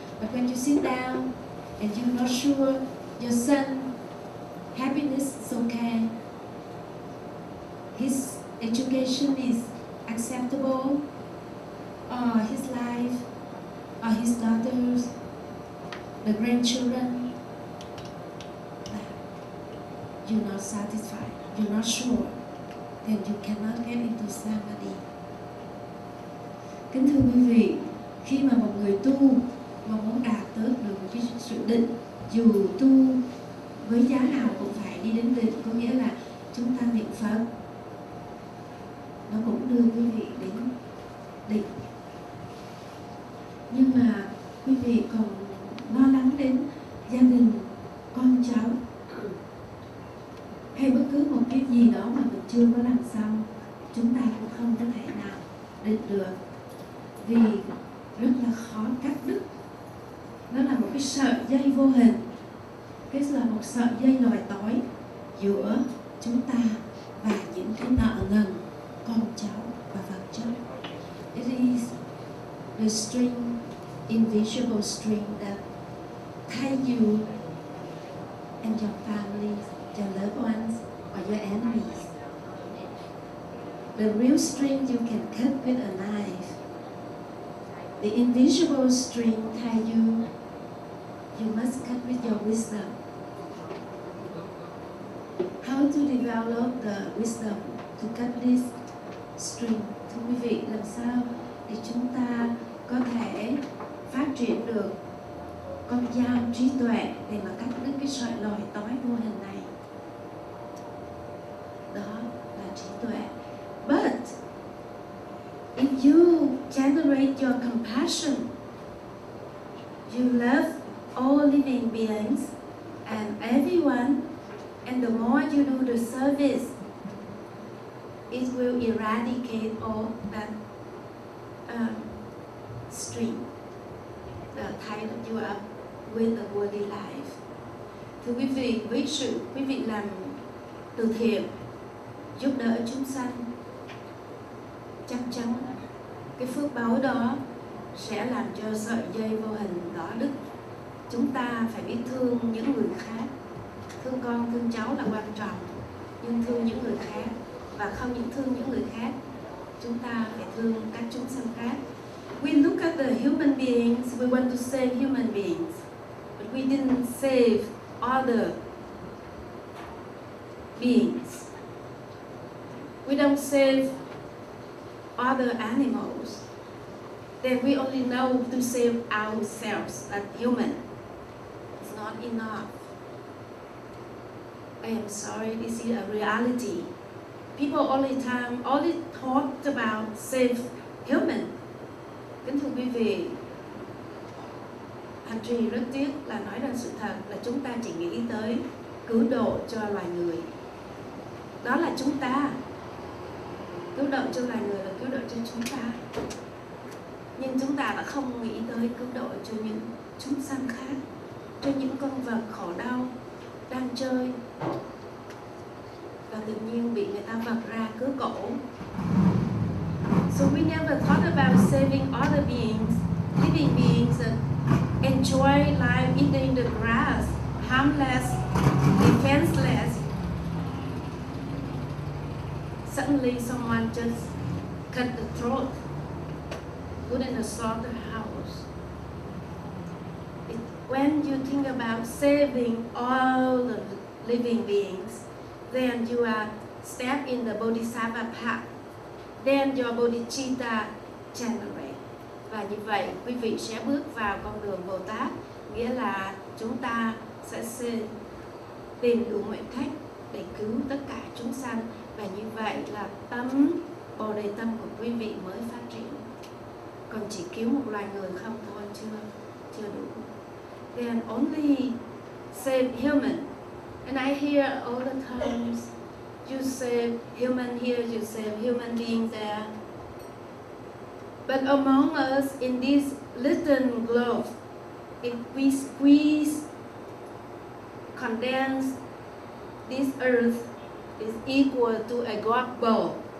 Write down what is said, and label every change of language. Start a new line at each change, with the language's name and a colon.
English: But when you sit down and you're not sure your son happiness is okay, his education is acceptable, or his life, or his daughters, the grandchildren, you're not satisfied, you're not sure, then you cannot get into samadhi.
Vietnamese: Kính thưa quý vị, khi mà một người tu mà muốn đạt tới được một cái sự định, dù tu với giá nào cũng phải đi đến định, có nghĩa là chúng ta niệm Phật, nó cũng đưa quý vị đến định. Nhưng mà quý vị còn lo lắng đến gia đình, con cháu hay bất cứ một cái gì đó mà mình chưa có làm xong, chúng ta cũng không có thể nào định được, vì rất là khó cắt đứt. Nó là một cái sợi dây vô hình, cái là một sợi dây lòi tối giữa chúng ta và những cái nợ nần, con cháu và vật chất.
English: It is the string, invisible string that ties you and your family, your loved ones, or your enemies. The real string you can cut with a knife. The invisible string tells you you must cut with your wisdom. How to develop the wisdom to cut this string?
Vietnamese: Thưa quý vị, làm sao để chúng ta có thể phát triển được con dao trí tuệ để mà cắt đứt cái sợi lòi tối vô hình này? Đó là trí tuệ.
English: But if you generate your compassion, you love all living beings and everyone, and the more you do the service, it will eradicate all that stream that tied you up with a worldly life.
Vietnamese: Thưa quý vị, với sự quý vị làm từ thiện, giúp đỡ chúng sanh, chắc chắn cái phước báo đó sẽ làm cho sợi dây vô hình đó đứt. Chúng ta phải biết thương những người khác. Thương con, thương cháu là quan trọng, nhưng thương những người khác, và không những thương những người khác, chúng ta phải thương các chúng sanh khác.
English: We look at the human beings, we want to save human beings, but we didn't save other beings. We don't save other animals, then we only know to save ourselves as human. It's not enough. I am sorry, this is a reality. People only talk about save human.
Vietnamese: Kính thưa quý vị, hành trì rất tiếc là nói ra sự thật là chúng ta chỉ nghĩ tới cứu độ cho loài người. Đó là chúng ta. Cứu độ cho loài người là cứu độ cho chúng ta. Nhưng chúng ta đã không nghĩ tới cứu độ cho những chúng sanh khác, cho những con vật khổ đau đang chơi và tự nhiên bị người ta vật ra cứu cổ.
English: So we never thought about saving other beings, living beings that enjoy life eating the grass, harmless, defenseless. Suddenly someone just cut the throat, put in a slaughterhouse. When you think about saving all the living beings, then you are step in the bodhisattva path. Then your bodhicitta generate.
Vietnamese: Và như vậy, quý vị sẽ bước vào con đường Bồ Tát, nghĩa là chúng ta sẽ tìm đủ mọi cách để cứu tất cả chúng sanh. Và như vậy là tâm bồ đề tâm của quý vị mới phát triển. Còn chỉ cứu một loài người không thôi chưa đủ.
English: Then only save human. And I hear all the times you save human here, you save human being there. But among us in this little globe, if we squeeze, condense this earth, is equal to a global.